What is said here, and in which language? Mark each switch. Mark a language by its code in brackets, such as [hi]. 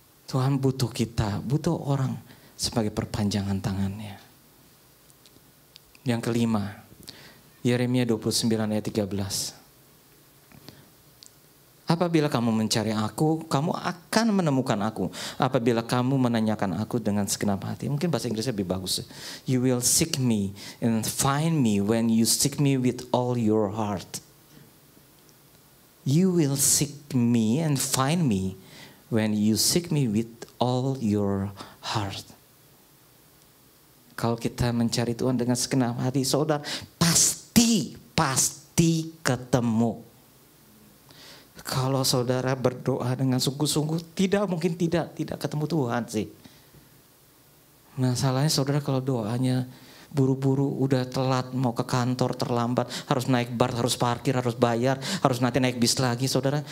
[id] Tuhan butuh kita, butuh orang sebagai perpanjangan tangannya. Yang kelima, Yeremia 29 ayat 13. Apabila kamu mencari aku, kamu akan menemukan aku. Apabila kamu menanyakan aku dengan segenap hati. Mungkin bahasa Inggrisnya lebih bagus. [en] You will seek me and find me when you seek me with all your heart. You will seek me and find me when you seek me with all your heart. [id] Kalau kita mencari Tuhan dengan segenap hati, saudara, pasti ketemu. Kalau saudara berdoa dengan sungguh-sungguh, tidak mungkin tidak ketemu Tuhan sih. Masalahnya saudara kalau doanya buru-buru, udah telat, mau ke kantor, terlambat, harus naik BART, harus parkir, harus bayar, harus nanti naik bis lagi, saudara.